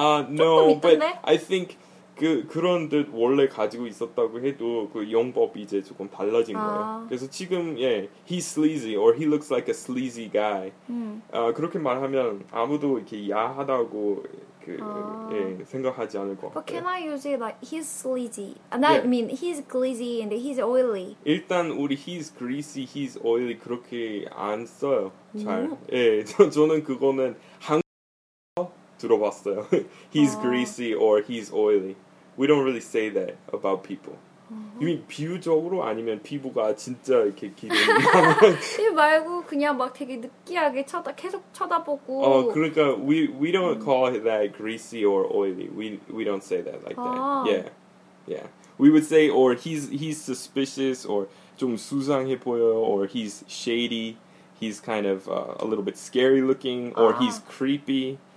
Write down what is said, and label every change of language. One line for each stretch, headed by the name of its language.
English: No, but I think
Korean: 그 그런 듯 원래 가지고 있었다고 해도 그 용법이 이제 조금 달라진 거예요. 그래서 지금 예,
English: he's sleazy or he looks like a sleazy guy.
Korean: 그렇게 말하면 아무도 이렇게 야하다고 그 예, 생각하지 않을 것 같아요.
English: But can I use it like he's sleazy? Not, yeah. I mean he's greasy and he's oily.
Korean: 일단 우리
English: he's greasy, he's oily
Korean: 그렇게 안 써요. 잘. 예, 저는 그거는 한 들어봤어요.
English: He's greasy or he's oily. We don't really say that about people.
Korean: 이미 비유적으로 아니면 피부가 진짜 이렇게 기름이 말고 그냥 막 되게 느끼하게 쳐다 계속 쳐다보고. 어 그러니까
English: we don't call that greasy or oily. We don't say that like that. Yeah, yeah. We would say or he's suspicious or
Korean: 좀 수상해 보여요
English: or he's shady. He's kind of a little bit scary looking or he's creepy.